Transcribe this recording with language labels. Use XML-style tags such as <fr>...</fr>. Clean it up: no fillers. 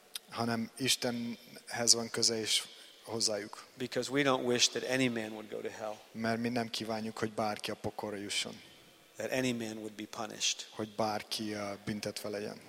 <hu>Hanem Istenhez van köze és hozzájuk.</hu> <en>Because we don't wish that any man would go to hell.</en> <hu>Mert mi nem kívánjuk, hogy bárki a pokolra jusson.</hu> <en>That any man would be punished.</en> <hu>Hogy bárki büntetve legyen.</hu>